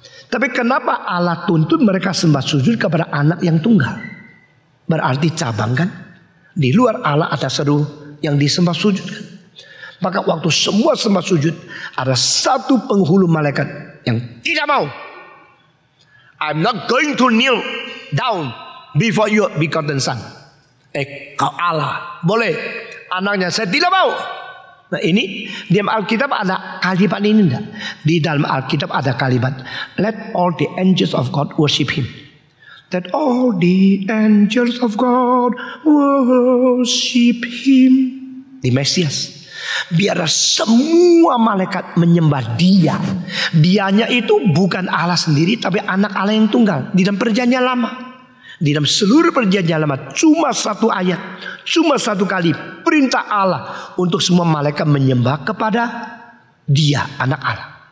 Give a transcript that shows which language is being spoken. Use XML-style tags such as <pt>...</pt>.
<id>Tapi kenapa Allah tuntut mereka sembah sujud kepada anak yang tunggal? Berarti cabang kan? Di luar Allah ada seru yang disembah sujud kan? Maka waktu semua sembah sujud, ada satu penghulu malaikat yang tidak mau.</id> <en>I'm not going to kneel down before your begotten son.</en> <id>Kau Allah. Boleh. Anaknya saya tidak mau. Nah ini di dalam Alkitab ada kalimat ini enggak? Di dalam Alkitab ada kalimat,</id> <en>let all the angels of God worship him. Let all the angels of God worship him.</en> <id>Di Mesias. Biar semua malaikat menyembah dia. Dianya itu bukan Allah sendiri tapi anak Allah yang tunggal. Di dalam perjanjian lama. Di dalam seluruh perjanjian lama cuma satu ayat. Cuma satu kali perintah Allah untuk semua malaikat menyembah kepada dia anak Allah.</id>